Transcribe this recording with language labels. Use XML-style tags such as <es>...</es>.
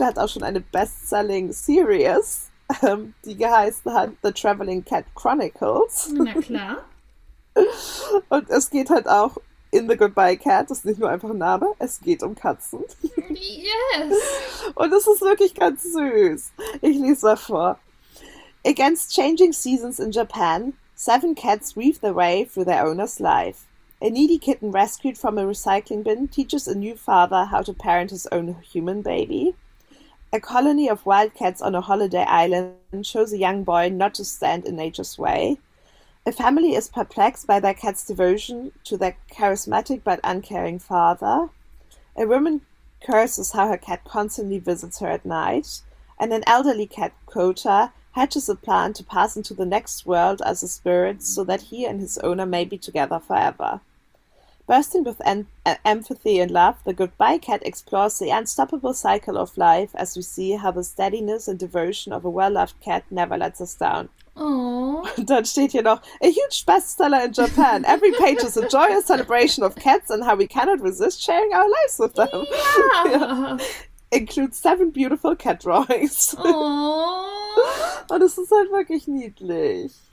<de>Er hat auch schon eine Best-Selling-Series, die geheißen hat The Traveling Cat Chronicles. Na klar. Und es geht halt auch in The Goodbye Cat, das ist nicht nur einfach ein Name, es geht um Katzen.</de> <en>Yes.</en> <de>Und es ist wirklich ganz süß. Ich lese mal vor.</de> <en>Against changing seasons in Japan, seven cats weave their way through their owner's life. A needy kitten rescued from a recycling bin teaches a new father how to parent his own human baby. A colony of wildcats on a holiday island shows a young boy not to stand in nature's way. A family is perplexed by their cat's devotion to their charismatic but uncaring father. A woman curses how her cat constantly visits her at night. And an elderly cat, Kota, hatches a plan to pass into the next world as a spirit so that he and his owner may be together forever. Bursting with empathy and love, the goodbye cat explores the unstoppable cycle of life as we see how the steadiness and devotion of a well-loved cat never lets us down.</en> <de>Und dann steht hier noch,</de> <en>a huge bestseller in Japan. Every page is a joyous celebration of cats and how we cannot resist sharing our lives with them. Ja. Includes seven beautiful cat drawings.</en> <de>Und es ist halt wirklich niedlich.</de>